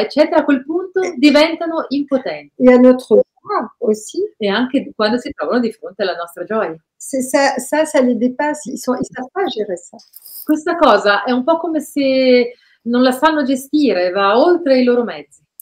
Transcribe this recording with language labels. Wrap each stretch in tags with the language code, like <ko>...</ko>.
<it>eccetera, a quel punto diventano impotenti.</it> <fr>Et à notre joie aussi.</fr> <it>E anche quando si trovano di fronte alla nostra gioia.</it> <fr>Ça les dépasse, ils savent pas gérer ça.</fr> <it>Questa cosa è un po' come se non la sanno gestire, va oltre i loro mezzi.</it>